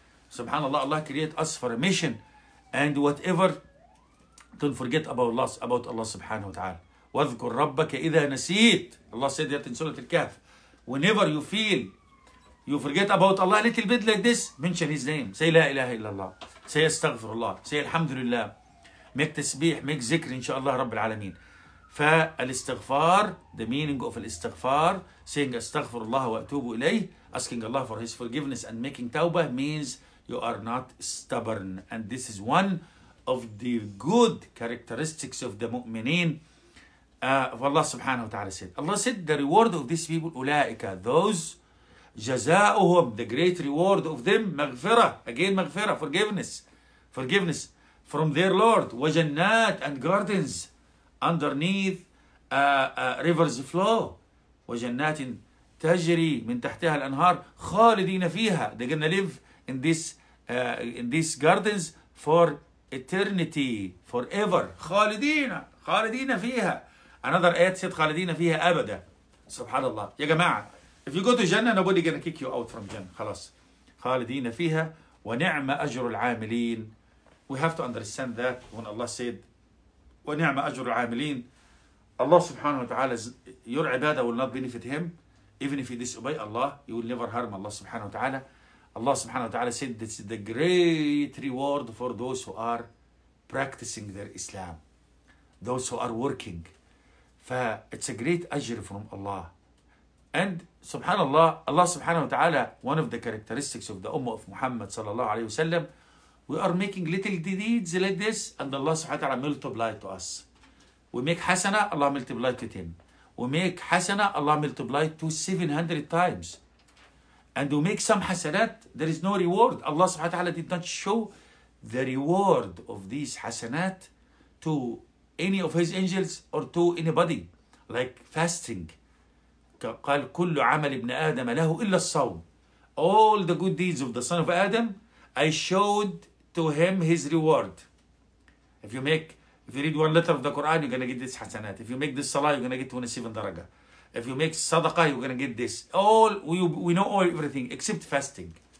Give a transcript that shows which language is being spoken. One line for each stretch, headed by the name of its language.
English: Subhanallah, Allah create us for a mission, and whatever, don't forget about Allah subhanahu wa ta'ala.
Arabic: وَذْكُرْ رَبَّكَ إِذَا نَسِيتَ.
English: Allah said that in Surah Al-Kahf. Whenever you feel you forget about Allah a little bit like this, mention His name. Say,
Arabic: لا إله إلا الله. Say, استغفر الله. Say, الحمد لله. Make تسبيح, make ذكر, inshallah, رب العالمين.
English: فالاستغفار, the meaning of الاستغفار, saying,
Arabic: استغفر الله وأتوب إليه,
English: asking Allah for His forgiveness and making tawbah, means you are not stubborn. And this is one of the good characteristics of the mu'mineen, of Allah subhanahu wa ta'ala said. Allah said the reward of these people, ulaika, those, jaza'uhum, the great reward of them, maghfirah, again maghfirah, forgiveness from their Lord, wa jannat, and gardens underneath rivers flow,
Arabic: wa jannatin tajri min tahtaha al-anhar khalidina fiha,
English: they're gonna live in these gardens for eternity, forever.
Arabic: خالدين فيها.
English: Another ayat said
Arabic: خالدين فيها أبدا. سبحان الله. يا جماعة,
English: if you go to Jannah, nobody gonna kick you out from Jannah.
Arabic: خلاص. خالدين فيها ونعم أجر العاملين.
English: We have to understand that when Allah said
Arabic: ونعم أجر العاملين,
English: Allah سبحانه وتعالى, your عبادة will not benefit him. Even if you disobey Allah, you will never harm Allah سبحانه وتعالى. Allah subhanahu wa ta'ala said it's the great reward for those who are practicing their Islam, those who are working. It's a great ajr from Allah. And subhanallah, Allah subhanahu wa ta'ala, one of the characteristics of the Ummah of Muhammad
Arabic: sallallahu alayhi wa sallam,
English: we are making little deeds like this, and Allah subhanahu wa ta'ala multiply to us. We make hasana, Allah multiplied to 10. We make hasana, Allah multiplied to 700 times. And we make some hasanat, there is no reward. Allah subhanahu wa ta'ala did not show the reward of these hasanat to any of his angels or to anybody. Like fasting.
Arabic: قال كل عمل ابن آدم له إلا الصوم.
English: All the good deeds of the son of Adam, I showed to him his reward. If you make, if you read one letter of the Quran, you're gonna get this hasanat. If you make this salah, you're gonna get 27 daraga. If you make sadaqah, you're gonna get this. All we know all everything except fasting.